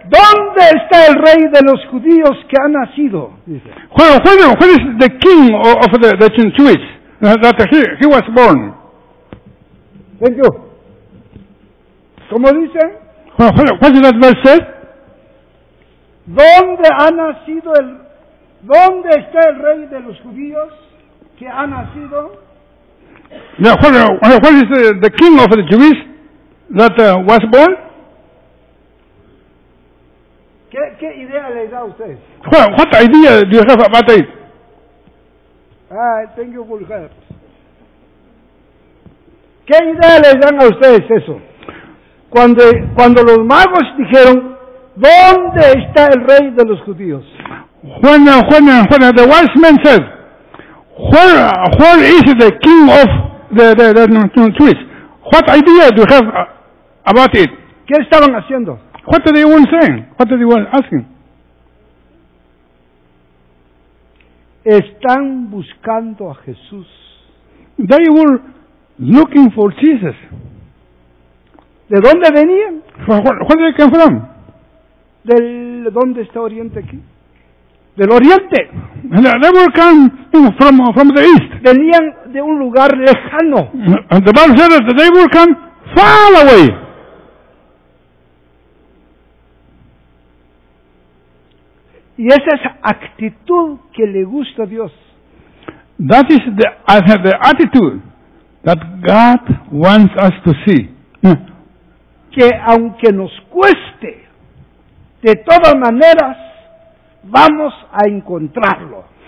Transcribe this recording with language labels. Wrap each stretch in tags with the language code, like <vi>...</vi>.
<es>¿Dónde está el rey de los judíos que ha nacido?</es> <en>Where is the king of the Gentiles that he was born? Thank you.</en> <es>¿Cómo dice?</es> <en>What did that verse say?</en> <es>¿Dónde ha nacido el... ¿Dónde está el rey de los judíos que ha nacido?</es> <en>Yeah, where is the king of the Jews that was born?</en> <es>¿Qué idea les da a ustedes?</es> <en>What idea do you have about it? Thank you for help.</en> <es>¿Qué idea les dan a ustedes eso? Cuando los magos dijeron, ¿dónde está el rey de los judíos?</es> <en>When the wise men said, where is the king of the Jews? What idea do you have about it?</en> <es>¿Qué estaban haciendo?</es> <en>What did they want saying? What did they want asking?</en> <es>Están buscando a Jesús.</es> <en>They were looking for Jesus.</en> <es>¿De dónde venían?</es> <en>Where did they come from?</en> <es>¿Dónde está Oriente aquí? Del Oriente.</es> <en>They were coming from the east.</en> <es>Venían de un lugar lejano.</es> <en>And the Bible said that they were coming far away.</en> <es>Y esa es actitud que le gusta a Dios.</es> <en>That is the attitude that God wants us to see.</en> <es>Que aunque nos cueste, de todas maneras, vamos a encontrarlo.</es>